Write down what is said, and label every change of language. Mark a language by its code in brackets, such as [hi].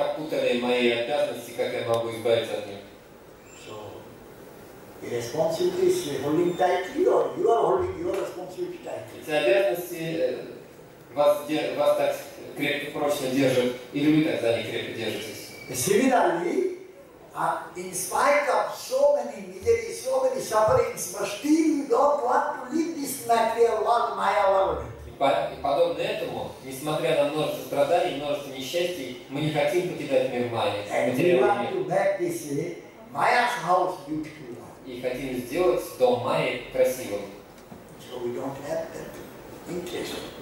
[ru] опутали мои обязанности, как я могу избавиться от них. [en] So, the responsibility is holding tightly, or you are holding your responsibility tightly. [ru] Эти обязанности вас так крепко, прочно держат, или вы так за них крепко держитесь? [en] Similarly, in spite of so many miseries, so many sufferings, but still you don't want to leave this material world, Maya world. [ru] Подобно этому, несмотря на множество страданий, множество несчастий, мы не хотим покидать мир Майя. И хотим сделать дом Майи красивым. [en] So we don't have that interest.